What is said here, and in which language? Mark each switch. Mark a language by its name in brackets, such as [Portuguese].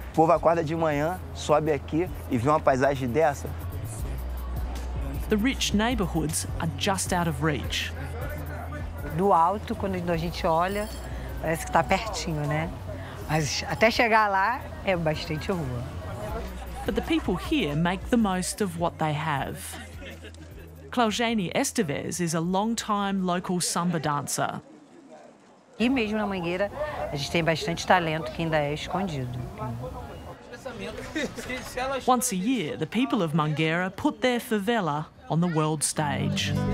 [Portuguese] O povo acorda de manhã, sobe aqui e vê uma paisagem dessa. [English] The rich neighborhoods are just out of reach. [Portuguese] Do alto, quando a gente olha, parece que está pertinho, né? Mas até chegar lá é bastante rua. [English] But the people here make the most of what they have. Claujane Esteves is a long-time local samba dancer. [Portuguese] E mesmo na Mangueira, a gente tem bastante talento que ainda é escondido. [English] Once a year, the people of Mangueira put their favela on the world stage.